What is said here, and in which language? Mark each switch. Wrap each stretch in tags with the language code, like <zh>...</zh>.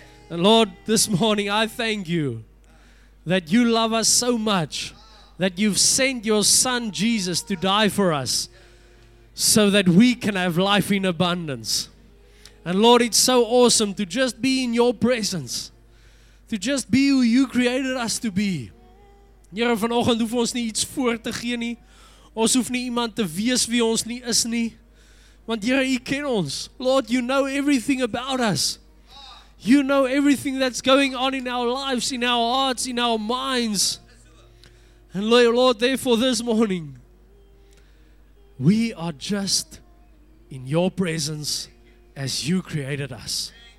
<en>And Lord, this morning I thank you that you love us so much that you've sent your Son Jesus to die for us so that we can have life in abundance. And Lord, it's so awesome to just be in your presence, to just be who you created us to be.</en> <af>Here vanoggend hoef ons nie iets voor te gee nie. Ons hoef nie iemand te wees wie ons nie is nie. Want Here, U ken ons.</af> <en>Lord, you know everything about us. You know everything that's going on in our lives, in our hearts, in our minds. And Lord, therefore this morning, we are just in your presence as you created us.</en>